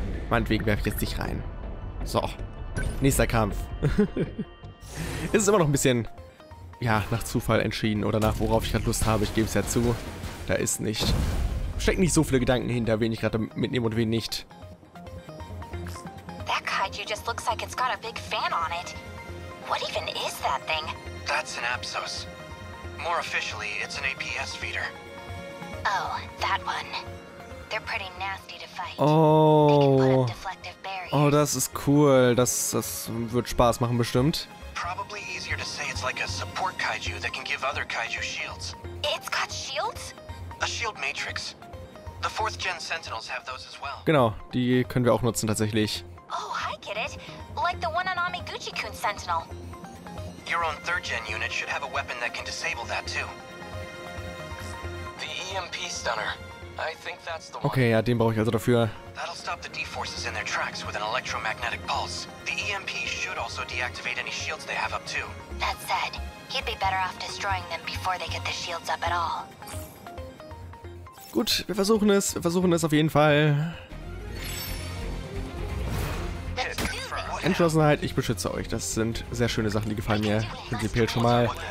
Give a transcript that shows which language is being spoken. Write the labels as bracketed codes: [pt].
[de] Meinetwegen werfe ich jetzt dich rein. So, nächster Kampf. Es ist immer noch ein bisschen, ja, nach Zufall entschieden oder nach worauf ich gerade Lust habe. Ich gebe es ja zu, da ist nicht, stecken nicht so viele Gedanken hinter, wen ich gerade mitnehme und wen nicht. [en] That kaiju just looks like it's got a big fan on it. What even is that thing? That's an Apsos. More officially, it's an APS feeder. Oh, that one. They're pretty nasty to fight. [de] Oh, das ist cool. Das wird Spaß machen bestimmt. [en] Probably easier to say it's like a support kaiju that can give other kaiju shields. It's got shields? A shield matrix. The fourth gen sentinels have those as well. [de] Genau, die können wir auch nutzen tatsächlich. [en] Oh, I get it. Like the one on Amiguchi-kun's sentinel. Your own third-gen unit should have a weapon that can disable that, too. The EMP stunner. I think that's the one. [de] Okay, ja, den brauche ich also dafür. [en] That'll stop the D-forces in their tracks with an electromagnetic pulse. The EMP should also deactivate any shields they have up, too. That said, he'd be better off destroying them before they get the shields up at all. [de] Gut, wir versuchen es. Wir versuchen es auf jeden Fall. Entschlossenheit, ich beschütze euch. Das sind sehr schöne Sachen, die gefallen mir prinzipiell schon mal.